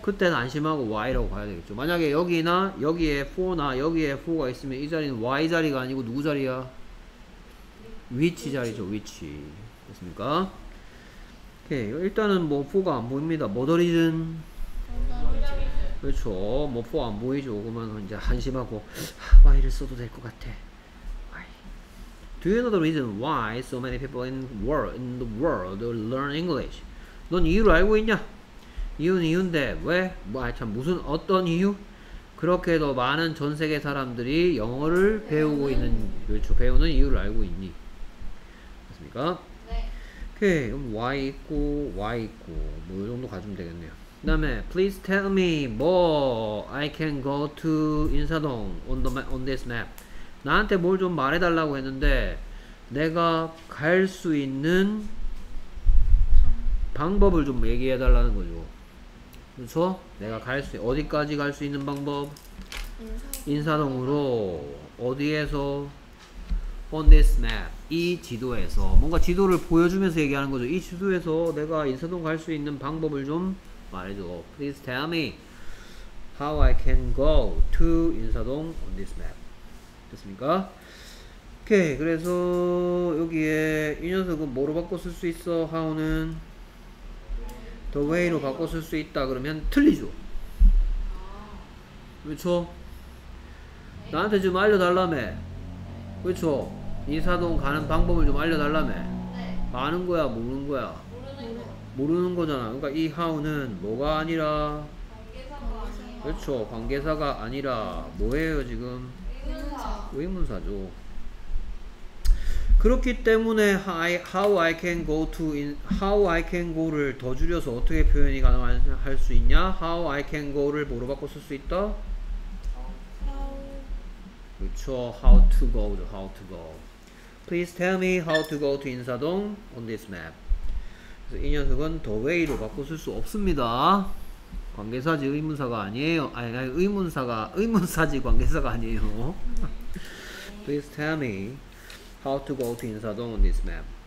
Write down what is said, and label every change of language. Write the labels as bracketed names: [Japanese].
[Korean] 그때는 안심하고 Y라고 봐야 되겠죠. 만약에 여기나 여기에 4나 여기에 4가 있으면 이 자리는 Y 자리가 아니고 누구 자리야? 위치 자리죠. 위치. 됐습니까? 오케이. 일단은 뭐 4가 안 보입니다. 모더리즌. 그렇죠. 뭐 4 안 보이죠. 그러면 이제 안심하고 Y를 써도 될 것 같아. [English] Do you know the reason why so many people in the world learn English? [Korean] 넌 이유를 알고 있냐? 이유는 이유인데 왜? 아 참 무슨 어떤 이유? 그렇게 더 많은 전 세계 사람들이 영어를 배우고 있는 그렇죠 배우는 이유를 알고 있니? 맞습니까? 네. 오케이 그럼 why 있고 뭐 이 정도 가지면 되겠네요. [English] 그 다음에 Please tell me more I can go to 인사동 on this map. [Korean] 나한테 뭘 좀 말해달라고 했는데 내가 갈 수 있는 방법을 좀 얘기해달라는 거죠. 그렇죠? 네. 내가 갈 수 어디까지 갈 수 있는 방법? 인사동으로 어디에서? [English] On this map [Korean] 이 지도에서 뭔가 지도를 보여주면서 얘기하는 거죠. 이 지도에서 내가 인사동 갈 수 있는 방법을 좀 말해줘. [English] Please tell me how I can go to 인사동 on this map. [Korean] 됐습니까? 오케이 그래서 여기에 이 녀석은 뭐로 바꿔 쓸 수 있어? How는 [English] the way [Korean] 로 바꿔 쓸 수 있다 그러면 틀리죠. 그렇죠? 나한테 좀 알려달라며. 그렇죠? 인사동 가는 방법을 좀 알려달라며. 아는 거야 모르는 거야? 모르는 거잖아. 그러니까 이 How는 뭐가 아니라 그렇죠 관계사가 아니라 뭐예요 지금? 의문사죠. 그렇기 때문에 [English] how I can go [Korean] 를 더 줄여서 어떻게 표현이 가능할 수 있냐? [English] How I can go [Korean] 를 뭐로 바꿔 쓸 수 있다? [English] How. 그렇죠. How to go. How to go. Please tell me how to go to 인사동 on this map. [Korean] 그래서 이 녀석은 [English] the way [Korean] 로 바꿔 쓸 수 없습니다. 관계사지 의문사가 아니에요. 아니 의문사가 의문사지 관계사가 아니에요. [English] Please tell me how to go to 인사동 on this map.